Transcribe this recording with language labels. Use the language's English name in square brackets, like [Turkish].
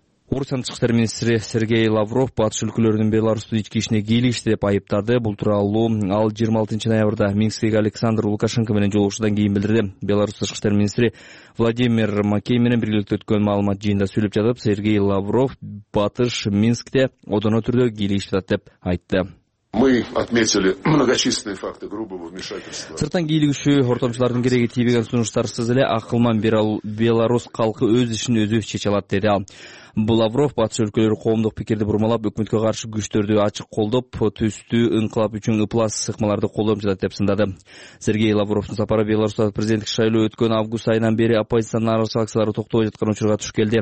[Kyrgyz] Орусиянын тышкы иштер министри Сергей Лавров батыш өлкөлөрүнүн Беларусту ички ишине кийлигиште деп айыптады. Бул тууралуу ал 26 ноябрда Минскдеги Александр Лукашенко менен жолугушуудан кийин билдирди. Беларусь тышкы иштер министри Владимир Макей менен биргеликте өткөн маалымат жыйынында сүйлөп жатып, Сергей Лавров батыш Минскте одоно түрдө кийлигиште жатат деп айтты. [Russian] Мы отметили многочисленные факты грубого вмешательства. [Kyrgyz] Сырттан кийлигүүчү ортомчулардын кереги тийбеген сунуштарсыз эле акылман Беларусь калкы өз ишин өзү чече алат деди ал. Лавров батыш өлкөлөрү коомдук пикирди бурмалап, өкмөткө каршы күчтөрдү ачык колдоп, түстүү инкылап үчүн ыплас сыкмаларды колдонуп жатат деп сындады. Сергей Лавровдун сапары Беларусьта президенттик шайлоо өткөн август айынан бери оппозициянын нааразычылык акциялары токтобой жаткан учурга туш келди.